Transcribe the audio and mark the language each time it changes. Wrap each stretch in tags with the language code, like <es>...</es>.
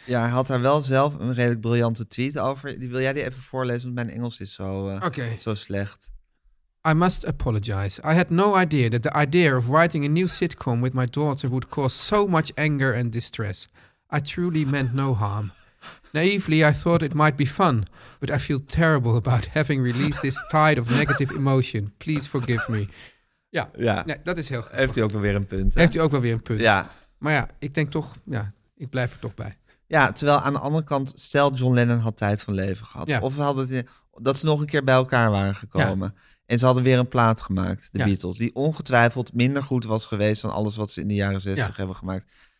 <nl>Ja, hij had daar wel zelf een redelijk briljante tweet over. Wil jij die even voorlezen? Want mijn Engels is zo slecht.</nl> <en>I must apologize. I had no idea that the idea of writing a new sitcom with my daughter would cause so much anger and distress. I truly meant no harm. Naively, I thought it might be fun, but I feel terrible about having released this tide of negative emotion. Please forgive me.</en> <nl>Nee, dat is heel goed. Heeft hij ook wel weer een punt. Hè? Heeft hij ook wel weer een punt. Ja. Maar ja, ik denk toch, ik blijf er toch bij. Ja, terwijl aan de andere kant, stel John Lennon had tijd van leven gehad. Ja. Of dat ze nog een keer bij elkaar waren gekomen. Ja. En ze hadden weer een plaat gemaakt, de Beatles. Die ongetwijfeld minder goed was geweest dan alles wat ze in de jaren 60 hebben gemaakt.</nl>